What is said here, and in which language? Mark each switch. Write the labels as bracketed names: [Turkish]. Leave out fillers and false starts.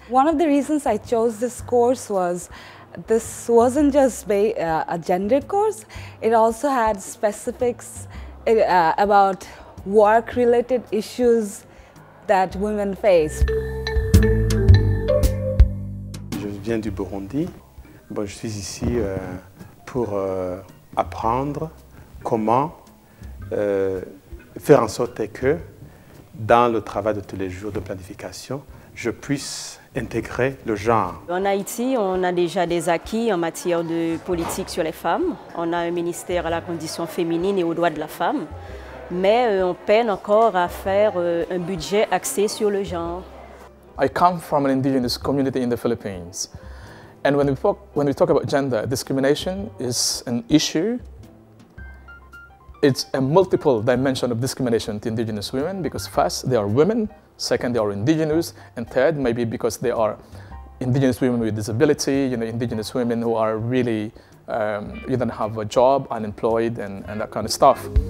[English] One of the reasons I chose this course was this wasn't just a gender course, it also had specifics about work related issues that women face. [French] Je viens du Burundi. Bon, je suis ici pour apprendre comment faire en sorte que dans le travail de tous les jours de planification, je puisse intégrer le genre. En Haïti, on a déjà des acquis en matière de politique sur les femmes. On a un ministère à la condition féminine et aux droits de la femme. Mais on peine encore à faire un budget axé sur le genre. [English] I come from an indigenous community in the Philippines. And when we talk about gender, discrimination is an issue. It's a multiple dimension of discrimination to indigenous women, because first, they are women, second, they are indigenous, and third, maybe because they are indigenous women with disability, you know, indigenous women who are really, you don't have a job, unemployed, and that kind of stuff.